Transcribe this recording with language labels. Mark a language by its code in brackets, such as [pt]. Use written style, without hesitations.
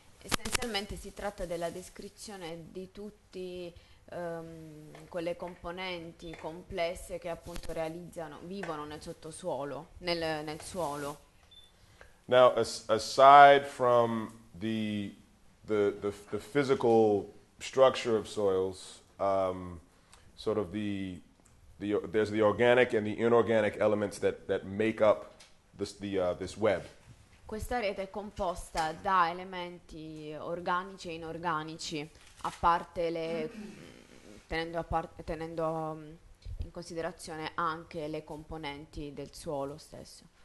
[it] Essenzialmente si tratta della descrizione di tutti quelle componenti complesse che appunto realizzano, vivono nel sottosuolo, nel suolo. [en] Now, aside from the physical structure of soils, sort of there's the organic and the inorganic elements that make up this web. [it] Questa rete è composta da elementi organici e inorganici, a parte tenendo in considerazione anche le componenti del suolo stesso.